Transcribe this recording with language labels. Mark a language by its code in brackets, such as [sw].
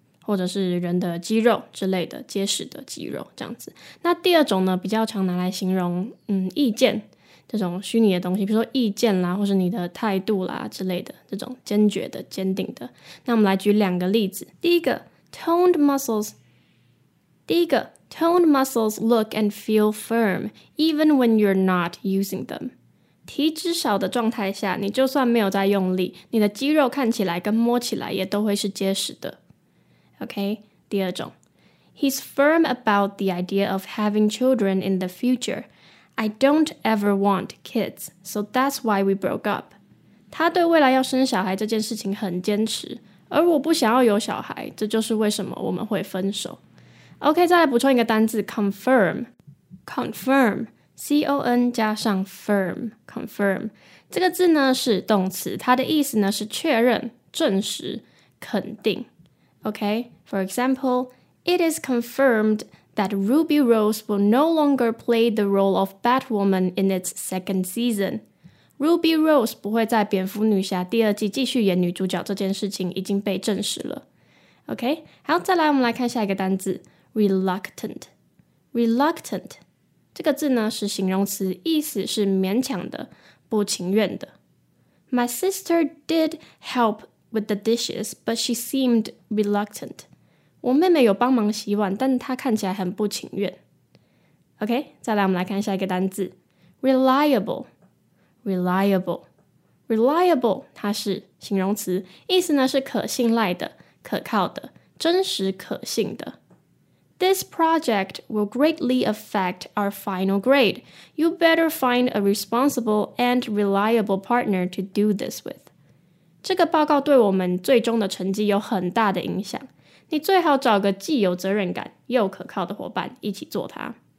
[zh] 或者是人的肌肉之类的结实的肌肉这样子那第二种呢比较常拿来形容意见这种虚拟的东西比如说意见啦或是你的态度啦之类的这种坚决的坚定的那我们来举两个例子第一个 [en] toned muscles. [zh] 第一个 [en] toned muscles look and feel firm, even when you're not using them. [zh] 体脂少的状态下，你就算没有在用力，你的肌肉看起来跟摸起来也都会是结实的。 OK, 第二种。 [en] He's firm about the idea of having children in the future. I don't ever want kids, so that's why we broke up. [zh] 他对未来要生小孩这件事情很坚持，而我不想要有小孩，这就是为什么我们会分手。 OK, 再来补充一个单字 confirm. Confirm, C-O-N 加上 firm, confirm. 这个字呢是动词，它的意思呢是确认、证实、肯定。 [en] OK, for example,It is confirmed that Ruby Rose will no longer play the role of Batwoman in its second season. [zh] Ruby Rose 不会在蝙蝠女侠第二季继续演女主角这件事情已经被证实了。 [en] OK, [zh] 好，再来我们来看下一个单字 Reluctant. Reluctant 这个字呢是形容词，意思是勉强的，不情愿的。 [en] My sister did help with the dishes, but she seemed reluctant. [zh] 我妹妹有帮忙洗碗，但她看起来很不情愿。 OK, 再来我们来看下一个单字 Reliable. Reliable. Reliable, 它是形容词，意思呢是可信赖的、可靠的、真实可信的。 [en] This project will greatly affect our final grade. You better find a responsible and reliable partner to do this with. [zh] 这个报告对我们最终的成绩有很大的影响。你最好找个既有责任感又可靠的伙伴一起做它。